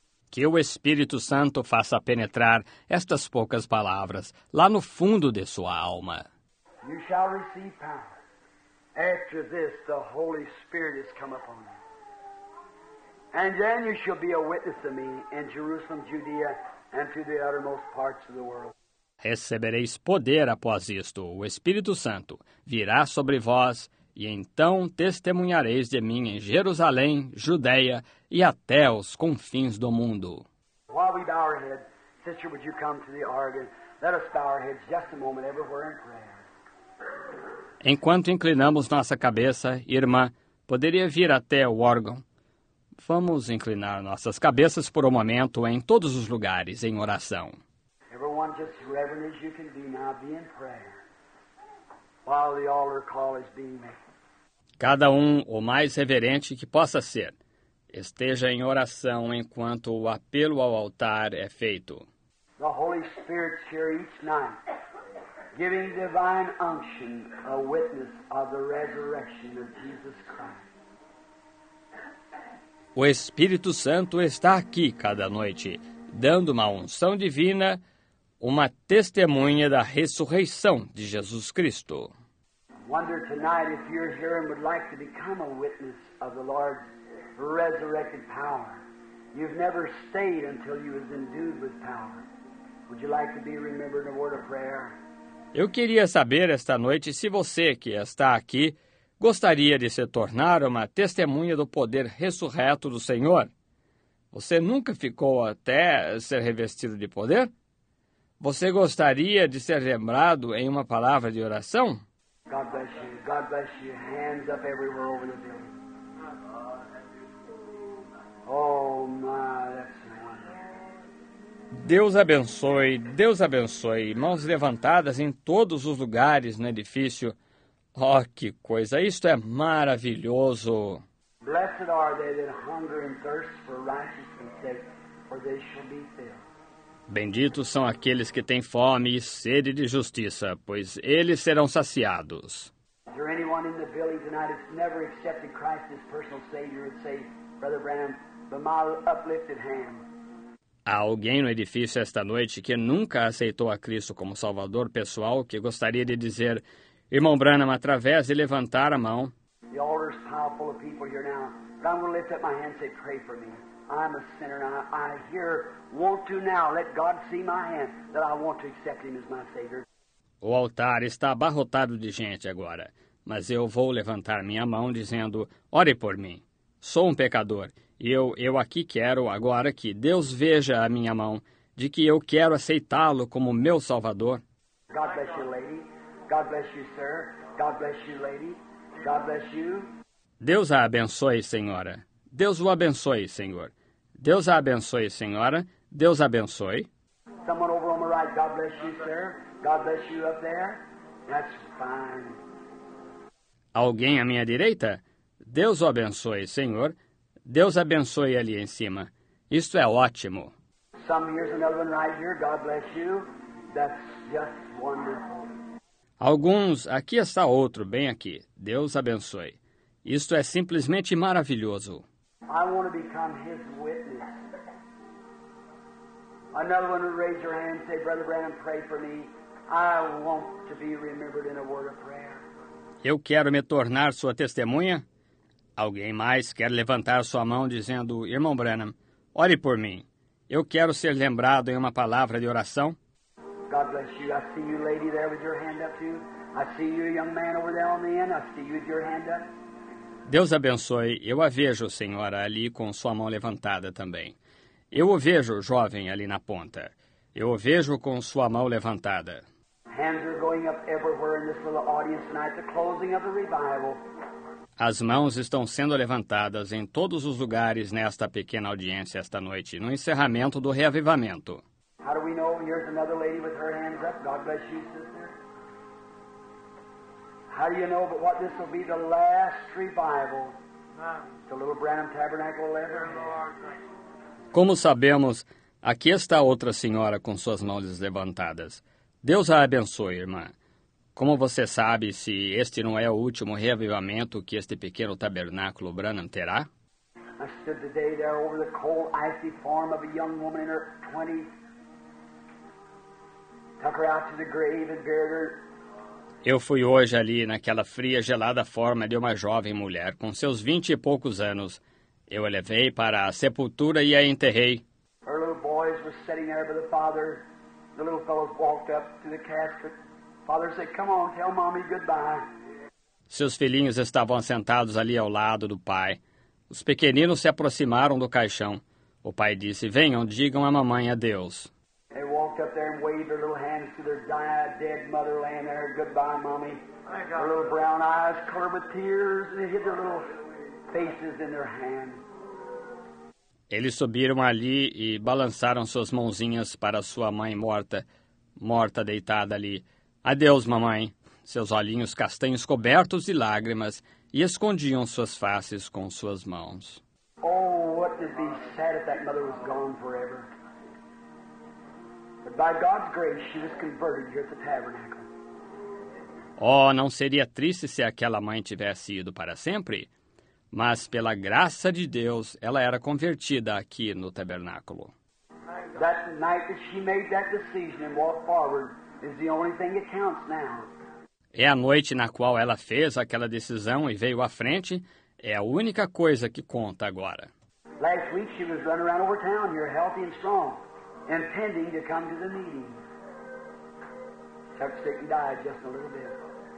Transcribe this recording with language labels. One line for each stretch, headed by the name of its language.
Portuguese: Que o Espírito Santo faça penetrar estas poucas palavras lá no fundo de sua alma.
English: You shall receive power. After this, the Holy Spirit has come upon you. And then you shall be a witness to me in Jerusalem, Judea, and to the uttermost parts of the world.
Portuguese: Recebereis poder após isto, o Espírito Santo virá sobre vós, e então testemunhareis de mim em Jerusalém, Judeia e até os confins do mundo.
English: While we bow our head, sister, would you come to the organ? Let us bow our heads just a moment, everywhere in prayer.
Portuguese: Enquanto inclinamos nossa cabeça, irmã, poderia vir até o órgão? Vamos inclinar nossas cabeças por um momento em todos os lugares, em oração.
English: Everyone. everyone just as reverent as you can be now be in prayer while the altar call is being made.
Portuguese: Cada o mais reverente que possa ser, esteja em oração enquanto o apelo ao altar é feito.
English: The Holy Spirit's here each night, giving divine unction, a witness of the resurrection of Jesus Christ.
Portuguese: O Espírito Santo está aqui cada noite, dando uma unção divina, uma testemunha da ressurreição de Jesus Cristo.
English: Wonder tonight if you're here and would like to become a witness of the Lord's resurrected power. You've never stayed until you was endued with power. Would you like to be remembered in a word of prayer?
Portuguese: Eu queria saber esta noite se você que está aqui gostaria de se tornar uma testemunha do poder ressurreto do Senhor. Você nunca ficou até ser revestido de poder? Você gostaria de ser lembrado em uma palavra de oração?
English: God bless you. God bless you. Hands up everywhere over the building. Oh, my, that's wonderful.
Portuguese: Deus abençoe, Deus abençoe. Mãos levantadas em todos os lugares no edifício. Oh, que coisa! Isto é maravilhoso!
English: Blessed are they that hunger and thirst for righteousness, for they shall be filled.
Portuguese: Benditos são aqueles que têm fome e sede de justiça, pois eles serão saciados.
English: Is there anyone in the building tonight that's never accepted Christ as personal Savior and say, Brother Branham, the my uplifted hand?
Portuguese: Há alguém no edifício esta noite que nunca aceitou a Cristo como Salvador pessoal que gostaria de dizer, Irmão Branham, através de levantar a mão.
English: The altar is powerful of people here now. But I'm going to lift up my hand and say, pray for me. I'm a sinner and I here want to now let God see my hand that I want to accept him as my Savior.
Portuguese: O altar está abarrotado de gente agora, mas eu vou levantar minha mão dizendo, ore por mim. Sou um pecador e eu aqui quero agora que Deus veja a minha mão de que eu quero aceitá-lo como meu Salvador.
English: God bless you, lady. God bless you, sir. God bless you, lady. God bless you.
Portuguese: Deus a abençoe, senhora. Deus o abençoe, senhor. Deus a abençoe, senhora. Deus a abençoe.
English: Someone over on the right. God bless you, sir. God bless you up there. That's fine.
Portuguese: Alguém à minha direita? Deus o abençoe, senhor. Deus abençoe ali em cima. Isto é ótimo.
English: Some here's another one right here. God bless you. That's just wonderful.
Portuguese: Alguns, aqui está outro, bem aqui. Deus abençoe. Isto é simplesmente maravilhoso.
English: I want to become his witness. Another one would raise your hand and say, Brother Branham, pray for me. I want to be remembered in a word of prayer.
Portuguese: Eu quero me tornar sua testemunha. Alguém mais quer levantar sua mão dizendo, Irmão Branham, ore por mim. Eu quero ser lembrado em uma palavra de oração.
English: God bless you. I see you, lady, there with your hand up, too. I see you, young man, over there on the end. I see you with your hand up.
Portuguese: Deus abençoe. Eu a vejo, senhora, ali com sua mão levantada também. Eu o vejo, jovem, ali na ponta. Eu o vejo com sua mão levantada.
English: Hands are going up everywhere in this little audience tonight, the closing of the revival.
Portuguese: As mãos estão sendo levantadas em todos os lugares nesta pequena audiência esta noite, no encerramento do reavivamento.
English: How do we know? Here's another lady with her hands up. God bless you, sister. How do you know but what this will be the last revival? The little Branham Tabernacle letter.
Portuguese: Como sabemos, aqui está outra senhora com suas mãos levantadas. Deus a abençoe, irmã. Como você sabe se este não é o último reavivamento que este pequeno tabernáculo Branham terá?
English: I stood today there over the cold, icy form of a young woman in her 20s. Took her out to the grave and buried her.
Portuguese: Eu fui hoje ali naquela fria, gelada forma de uma jovem mulher com seus 20 e poucos anos. Eu a levei para a sepultura e a enterrei.
English: Her little boys were sitting there by the father. The little fellows walked up to the casket. Father said, come on, tell mommy goodbye.
Portuguese: Seus filhinhos estavam sentados ali ao lado do pai. Os pequeninos se aproximaram do caixão. O pai disse, venham, digam a mamãe adeus.
English: They walked up there and waved their little hands to their dead mother laying there. Goodbye, mommy. Her little brown eyes covered with tears and hid their little faces in their hands.
Portuguese: Eles subiram ali e balançaram suas mãozinhas para sua mãe morta, morta deitada ali. Adeus, mamãe. Seus olhinhos castanhos cobertos de lágrimas e escondiam suas faces com suas mãos.
English: Oh, what would be sad if that mother was gone forever. But by God's grace, she was converted here at the tabernacle.
Portuguese: Oh, não seria triste se aquela mãe tivesse ido para sempre? Mas, pela graça de Deus, ela era convertida aqui no tabernáculo.
English: That night that she made that decision and walked forward is the only thing that counts now.
Portuguese: É a noite na qual ela fez aquela decisão e veio à frente, é a única coisa que conta agora.
English: Last week she was running around over town, you're healthy and strong, intending to come to the meeting. Chuck Sick died just a little bit.